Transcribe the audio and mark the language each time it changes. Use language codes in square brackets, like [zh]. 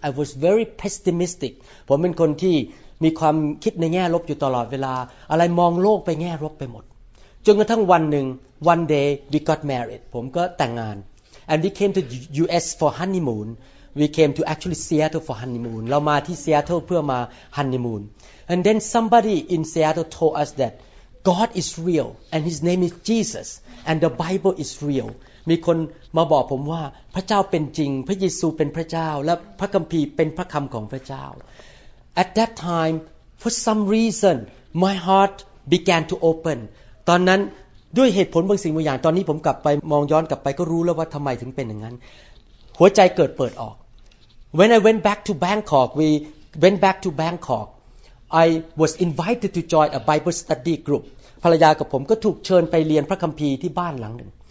[en] I was very pessimistic. [th] ผมเป็นคนที่มีความคิดในแง่ลบอยู่ตลอดเวลาอะไรมองโลกไปแง่ลบไปหมดจนกระทั่งวันหนึ่ง [en] One day we got married. [th] ผมก็แต่งงาน [en] And we came to U.S. for honeymoon. We came to actually Seattle for honeymoon. [th] เรามาที่ Seattle เพื่อมา honeymoon. [en] And then somebody in Seattle told us that God is real and His name is Jesus and the Bible is real. [th] มีคนมาบอกผมว่าพระเจ้าเป็นจริงพระเยซูเป็นพระเจ้าและพระคัมภีร์เป็นพระคำของพระเจ้า [en] At that time, for some reason, my heart began to open. [th] ตอนนั้นด้วยเหตุผลบางสิ่งบางอย่างตอนนี้ผมกลับไปมองย้อนกลับไปก็รู้แล้วว่าทำไมถึงเป็นอย่างนั้นหัวใจเกิดเปิดออก [en] When I went back to Bangkok we went back to Bangkok I was invited to join a Bible study group [th] ภรรยากับผมก็ถูกเชิญไปเรียนพระคัมภีร์ที่บ้านหลังหนึ่ง